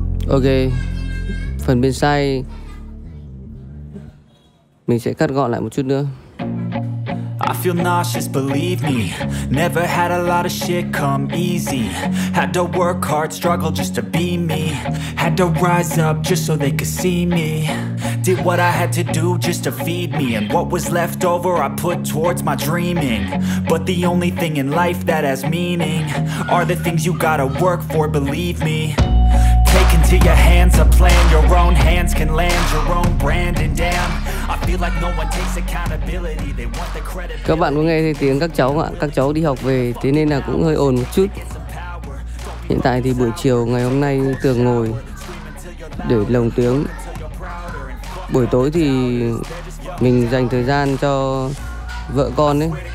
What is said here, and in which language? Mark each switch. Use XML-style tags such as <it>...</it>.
<vi>Ok, phần bên sai mình sẽ cắt gọn lại một chút nữa.</vi> <en>I feel nauseous, believe me. Never had a lot of shit come easy. Had to work hard, struggle just to be me. Had to rise up just so they could see me. Did what I had to do just to feed me. And what was left over I put towards my dreaming. But the only thing in life that has meaning are the things you gotta work for, believe me. Take your hands a plan, your own hands can land your own brand, and damn, I feel like no one takes accountability, they want the credit.</en> <vi>Các bạn có nghe thấy tiếng các cháu không ạ? Các cháu đi học về, thế nên là cũng hơi ồn một chút. Hiện tại thì buổi chiều ngày hôm nay Tường ngồi để lồng tiếng. Buổi tối thì mình dành thời gian cho vợ con ấy.</vi>